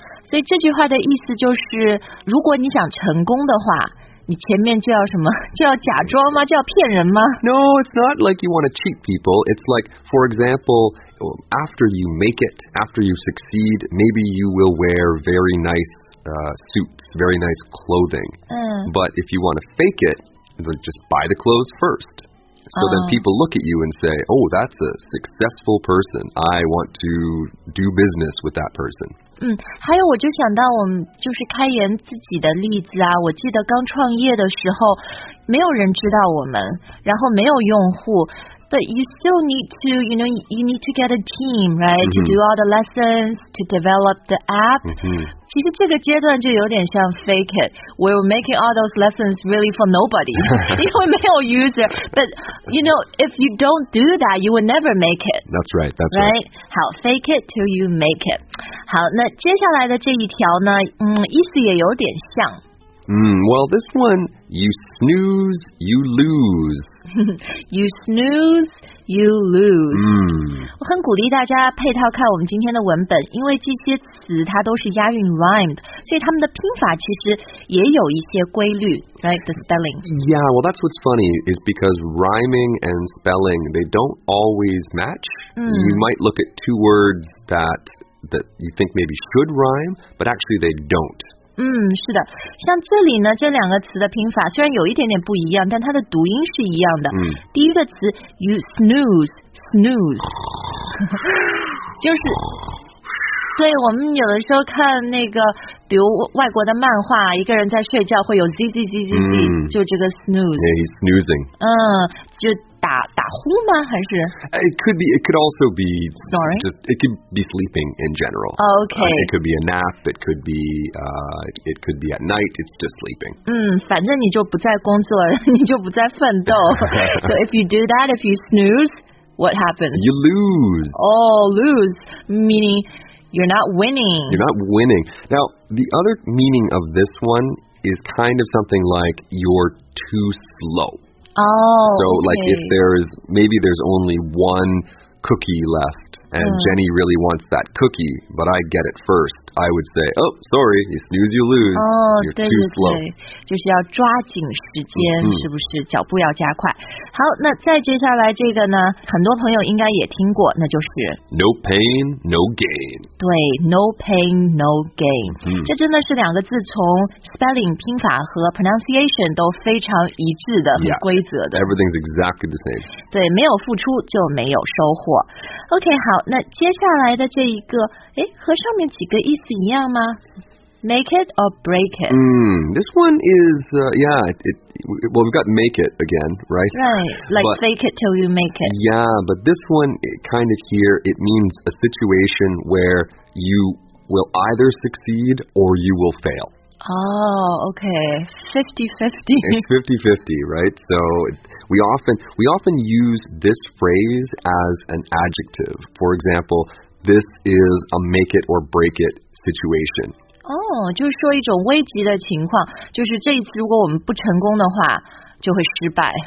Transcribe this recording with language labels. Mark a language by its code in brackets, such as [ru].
[zh] 所以这句话的意思就是，如果你想成功的话，你前面就要什么？就要假装吗？就要骗人吗？ [en] No, it's not like you want to cheat people. It's like, for example, after you make it, after you succeed, maybe you will wear very nice suits, very nice clothing. But if you want to fake it, then just buy the clothes first. So then people look at you and say, oh, that's a successful person. I want to do business with that person. [zh] 还有我就想到我们就是开言自己的例子啊，我记得刚创业的时候，没有人知道我们，然后没有用户。 [en] But you still need to, you know, you need to get a team, right? To do all the lessons, to develop the app. [zh] 其实这个阶段就有点像 [en] fake it. We're making all those lessons really for nobody. [zh] 因为没有 [en] user. But, you know, if you don't do that, you will never make it. That's right, that's right. 好 fake it till you make it. [zh] 好那接下来的这一条呢意思也有点像。 [en] Well, this one, you snooze, you lose. You snooze, you lose. [zh] 我很鼓励大家配套看我们今天的文本，因为这些词它都是押韵 rhymed, 所以它们的拼法其实也有一些规律 [en] right, the spelling. Yeah, well that's what's funny, is because rhyming and spelling, they don't always match. You might look at two words that you think maybe should rhyme, but actually they don't. [zh] 是的，像这里呢，这两个词的拼法虽然有一点点不一样，但它的读音是一样的。第一个词 [en] you snooze [zh] 就是，对，我们有的时候看那个比如外国的漫画，一个人在睡觉会有 zzzz, 就这个 snooze, [en] yeah, he's snoozing. [zh] 就打呼吗？还是 [en] It could also be snoring. Just it could be sleeping in general. Okay. It could be a nap. It could be at night. It's just sleeping. [zh] 反正你就不在工作，你就不在奋斗。 [en] So if you do that, if you snooze, what happens? You lose. Oh, lose meaning you're not winning. You're not winning. Now the other meaning of this one is kind of something like you're too slow. Oh, okay. Like if there's, maybe there's only one cookie left and Jenny really wants that cookie, but I get it first, I would say, oh, sorry, you snooze, you lose. Oh, you're too slow. [zh] 就是要抓紧时间、 [en] mm-hmm. [zh] 是不是脚步要加快。好，那再接下来这个呢，很多朋友应该也听过，那就是 [en] No pain, no gain. [zh] 对 , [en] no pain, no gain.、 [zh] Mm-hmm. 这真的是两个字从 spelling, 拼法和 pronunciation 都非常一致的、 [en] yeah. [zh] 很规则的。 [en] Everything's exactly the same. [zh] 对，没有付出就没有收获。OK, 好，那接下来的这一个和上面几个意思一样吗？ [en] Make it or break it. This one is, we've got make it again, right? Right, like but, fake it till you make it. Yeah, but this one, kind of here, it means a situation where you will either succeed or you will fail. Oh, okay, 50-50. It's 50-50, right? So we often use this phrase as an adjective. For example, this is a make it or break it situation. [zh] 就是说一种危急的情况，就是这一次如果我们不成功的话，就会失败。